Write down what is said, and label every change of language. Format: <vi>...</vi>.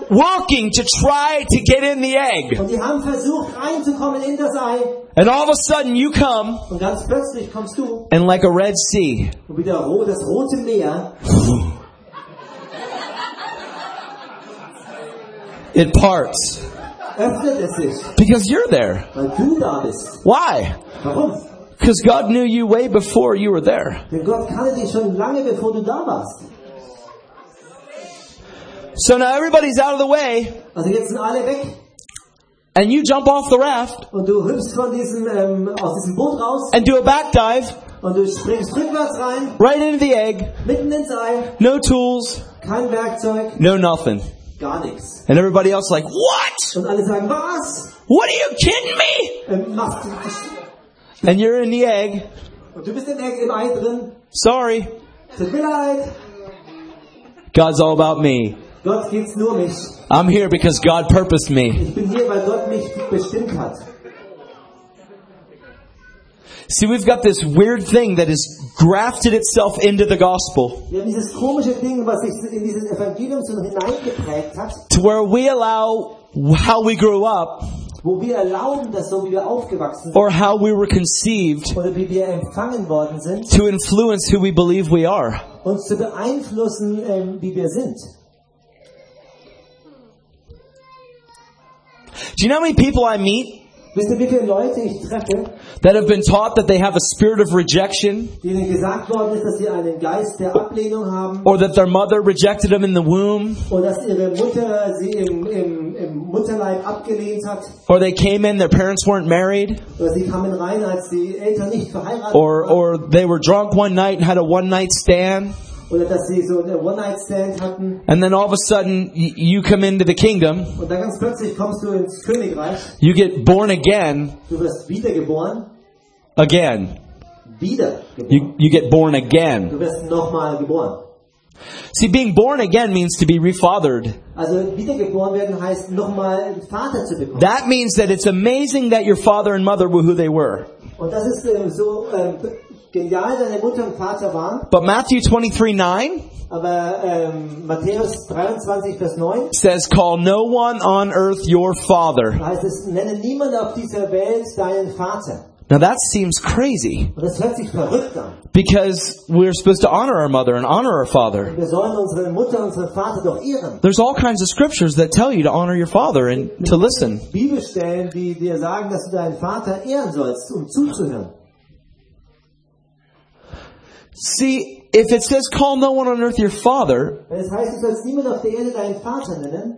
<en>Working to try to get in the egg.</en> <de>Und die haben versucht reinzukommen in das Ei.</de> <en>And all of a sudden you come.</en> <de>Und ganz plötzlich kommst du.</de> <en>And like a Red Sea.</en> <de>Und wieder das Rote Meer.</de> <en>It parts.</en> <de>Öffnet es sich.</de> <en>Because you're there.</en> <de>Weil du da bist.</de> <en>Why?</en> <de>Warum?</de> <en>Because God knew you way before you were there.</en> <de>Denn Gott kannte dich schon lange bevor du da warst.</de> <en>So now everybody's out of the way.</en> <de>Also jetzt sind alle weg.</de> <en>And you jump off the raft.</en> <de>Und du hüpfst von diesem aus diesem Boot raus.</de> <en>And do a back dive.</en> <de>Und du springst rückwärts rein.</de> <en>Right into the egg.</en> <de>Mitten ins Ei.</de> <en>No tools.</en> <de>Kein Werkzeug.</de> <en>No nothing.</en> <de>Gar nichts.</de> <en>And everybody else like, what?</en> <de>Und alle sagen, was?</de> <en>What are you kidding me? And you're in the egg.</en> <de>Und du bist im Egg, im Ei drin.</de> <en>Sorry.</en> <de>Tut mir leid.</de> <en>God's all about me.</en> <de>Gott geht's nur mich.</de> <en>I'm here because God purposed me.</en> <de>Ich bin hier, weil Gott mich bestimmt hat.</de> <en>See, we've got this weird thing that has grafted itself into the gospel.</en> <de>Ja, dieses komische Ding, was sich in dieses Evangelium so hineingeprägt hat.</de> <en>To where we allow how we grew up.</en> <de>Wo wir erlauben, dass so wie wir aufgewachsen sind.</de> <en>Or how we were conceived.</en> <de>Oder wie wir empfangen worden sind.</de> <en>To influence who we believe we are.</en> <de>Uns zu beeinflussen, wie wir sind.</de> <en>Do you know how many people I meet?</en> <de>Wisst ihr, wie viele Leute ich treffe,</de> <en>that have been taught that they have a spirit of rejection,</en> <de>denen gesagt worden ist, dass sie einen Geist der Ablehnung haben,</de> <en>or that their mother rejected them in the womb,</en> <de>oder dass ihre Mutter sie im Mutterleib abgelehnt hat,</de> <en>or they came in, their parents weren't married,</en> <de>oder sie kamen rein, als die Eltern nicht verheiratet waren,</de> <en>or they were drunk one night and had a one night stand,</en> <de>oder dass sie so eine</de> <en>one night stand</en> <de>hatten,</de> <en>and then all of a sudden you come into the kingdom,</en> <de>und dann ganz plötzlich kommst du ins Königreich,</de> <en>you get born again,</en> <de>du wirst wiedergeboren,</de> <en>again,</en> <de>wiedergeboren,</de> <en>you get born again,</en> <de>du wirst nochmal geboren.</de> <en>See, being born again means to be refathered.</en> <de>Also, wiedergeboren werden heißt, nochmal einen Vater zu bekommen.</de> <en>That means that it's amazing that your father and mother were who they were.</en> <de>Und das ist so genial, deine Mutter und Vater waren.</de> <en>But Matthew 23:9.</en> <de>Aber Matthäus 23, Vers 9</de> <en>says, call no one on earth your father.</en> <de>Heißt es, nenne niemand auf dieser Welt deinen Vater.</de> <en>Now that seems crazy.</en> <de>Das hört sich verrückt an.</de> <en>Because we're supposed to honor our mother and honor our father.</en> <de>Wir sollen unsere Mutter und unseren Vater doch ehren.</de> <en>There's all kinds of scriptures that tell you to honor your father and to listen.</en> <de>Bibelstellen, die dir sagen, dass du deinen Vater ehren sollst, zuzuhören.</de> <en>See, if it says call no one on earth your father,</en> <de>das heißt, du sollst niemand auf der Erde deinen Vater nennen,</de>